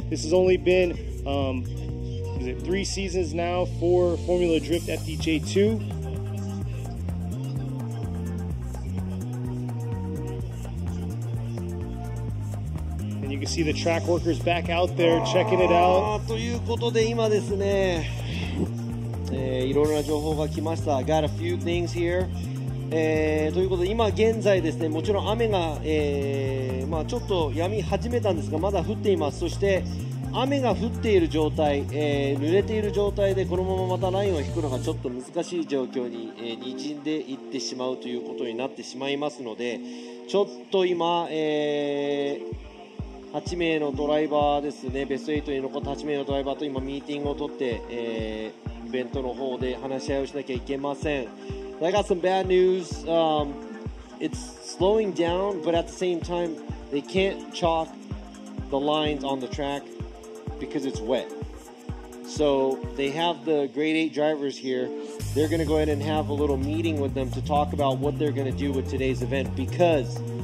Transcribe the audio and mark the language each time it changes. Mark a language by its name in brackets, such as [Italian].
[English] This has only been, is it three seasons now for Formula Drift FDJ2? You can see the track workers back out there checking it out. [Japanese] ということで今ですね、いろいろな情報が来ました。 [English] I got a few things here. [Japanese] ということで今現在ですね、もちろん雨が、まあ、ちょっと止み始めたんですが、まだ降っています。そして雨が降っている状態、濡れている状態でこのまままたラインを引くのがちょっと難しい状況に、滲んでいってしまうということになってしまいますので、ちょっと今、8名のドライバーですね、ベスト8に残った8名のドライバーと今ミーティングを取って、イベントの方で話し合いをしなきゃいけません。 [English] I got some bad news. It's slowing down, but at the same time, they can't chalk the lines on the track because it's wet. So they have the grade 8 drivers here. They're going to go ahead and have a little meeting with them to talk about what they're going to do with today's event because...